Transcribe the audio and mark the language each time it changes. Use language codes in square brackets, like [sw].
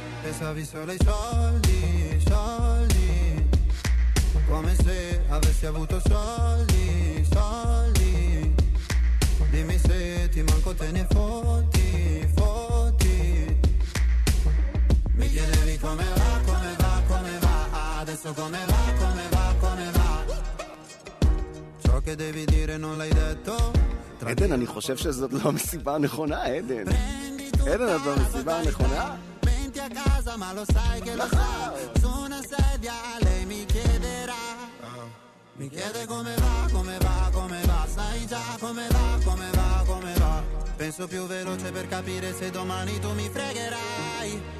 [it] pensavi solo ai soldi, soldi, come se avessi avuto soldi, soldi, dimmi se ti manco te ne fotti, fotti, mi chiedevi come va, come va, come va, adesso come va, come va, come va. Che devi dire non l'hai detto. [en] Eden, [he] אני חושב שזאת לא מסיבה נכונה, עדן. עדן, זאת לא מסיבה נכונה. [it] Venti a casa, ma lo sai che lo sa. Su una sedia lei mi chiederà. Mi chiede come va, come va, come va. Sai già come va, come va, come va. Penso più veloce per capire se domani tu mi fregherai.